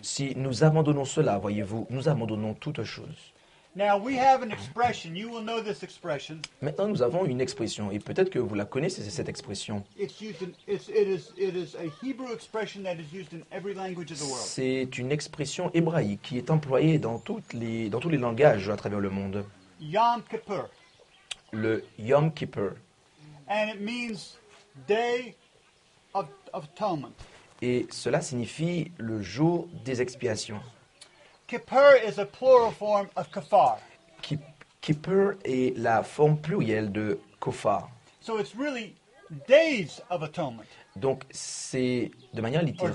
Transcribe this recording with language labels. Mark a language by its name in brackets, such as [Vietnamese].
[French] Si nous abandonnons cela, voyez-vous, nous abandonnons toute chose. [English] Now we have an expression. You will know this expression. [French] Maintenant nous avons une expression et peut-être que vous la connaissez cette expression. [English] It is a Hebrew expression that is used in every language of the world. [French] C'est une expression hébraïque qui est employée dans tous les langages à travers le monde. [English] Yom Kippur. [French] Le Yom Kippur. [English] And it means day of atonement. [French] Et cela signifie le jour des expiations. [English] Kippur is a plural form of kafar. [French] Kippur est la forme plurielle de kofar. [English] So it's really days of atonement. [French] Donc c'est de manière littérale.